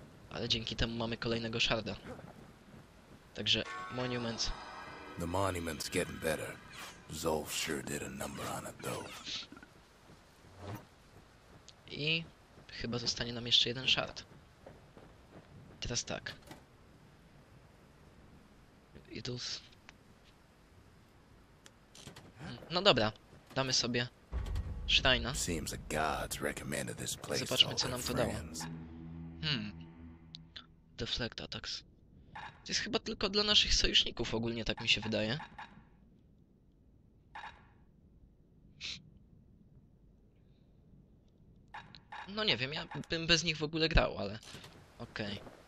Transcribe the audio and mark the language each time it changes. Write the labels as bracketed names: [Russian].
[Polish] Ale dzięki temu mamy kolejnego Sharda. Także Monuments. [English] The monument's getting better. Zolf sure did a number on it though. [Polish] I chyba zostanie nam jeszcze jeden Shard. Teraz tak. Idus. No dobra, damy sobie Shrine'a. [English] Seems the gods recommended this place. [Polish] Zobaczmy, co nam to dało. [English] Deflect attacks. [Polish] To jest chyba tylko dla naszych sojuszników ogólnie, tak mi się wydaje. No nie wiem, ja bym bez nich w ogóle grał, ale... Okej.